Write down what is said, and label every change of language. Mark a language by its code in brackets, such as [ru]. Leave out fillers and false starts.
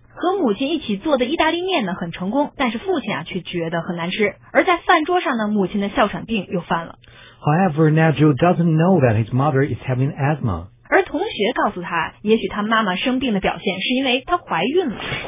[zh] 和母亲一起做的意大利面呢很成功，但是父亲啊却觉得很难吃。而在饭桌上呢，母亲的哮喘病又犯了。 [en] However, Nigel doesn't know that his mother is having asthma. [zh] 而同学告诉他，也许他妈妈生病的表现是因为她怀孕了。